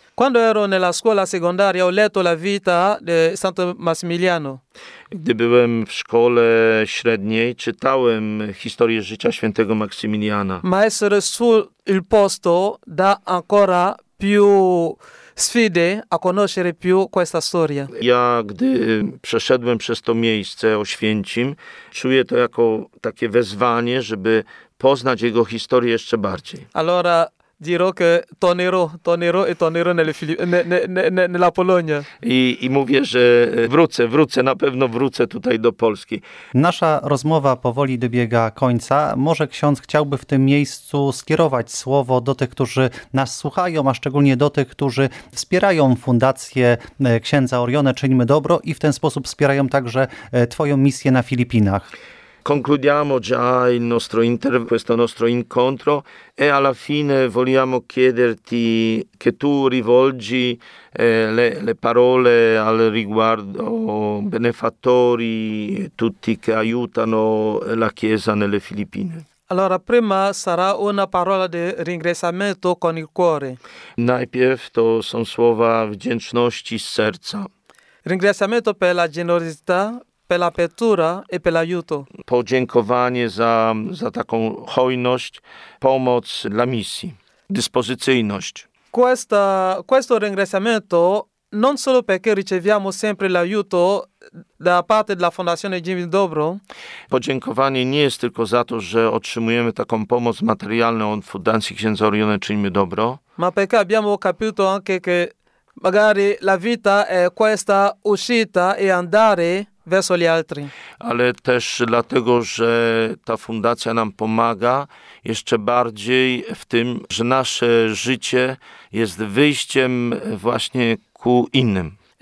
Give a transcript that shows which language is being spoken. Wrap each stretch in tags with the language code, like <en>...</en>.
<it>Quando ero nella scuola secondaria ho letto la vita di Santo Massimiliano.</it> <pl>Gdy byłem w szkole średniej, czytałem historię życia świętego Maksymiliana.</pl> <it>Ma essere sul il posto da ancora più sfide a conoscere più questa storia.</it> <pl>Ja, gdy przeszedłem przez to miejsce Oświęcim, czuję to jako takie wezwanie, żeby poznać jego historię jeszcze bardziej.</pl> <it>Allora dirò che tornerò e tornerò nella Polonia.</it> <pl>I mówię, że wrócę, na pewno wrócę tutaj do Polski. Nasza rozmowa powoli dobiega końca. Może ksiądz chciałby w tym miejscu skierować słowo do tych, którzy nas słuchają, a szczególnie do tych, którzy wspierają fundację księdza Orione Czyńmy Dobro i w ten sposób wspierają także twoją misję na Filipinach.</pl> <it>Concludiamo già il nostro questo nostro incontro e alla fine vogliamo chiederti che tu rivolgi le parole al riguardo benefattori, tutti che aiutano la Chiesa nelle Filippine. Allora, prima sarà una parola di ringraziamento con il cuore.</it> <pl>Najpierw to są słowa wdzięczności z serca.</pl> <it>Ringraziamento per la generosità. Per l'apertura e per l'aiuto.</it> <pl>Podziękowanie za taką hojność, pomoc dla misji, dyspozycyjność.</pl> <it>Questo ringraziamento non solo perché riceviamo sempre l'aiuto da parte della Fondazione Czyńmy Dobro.</it> <pl>Podziękowanie nie jest tylko za to, że otrzymujemy taką pomoc materialną od Fundacji Księdza Orione Czyńmy Dobro.</pl> <it>Ma perché abbiamo capito anche che magari la vita è questa uscita e andare verso gli altri.</it> <pl>Ale też dlatego, że ta fundacja nam pomaga jeszcze bardziej w tym, że nasze życie jest wyjściem właśnie ku innym.</pl>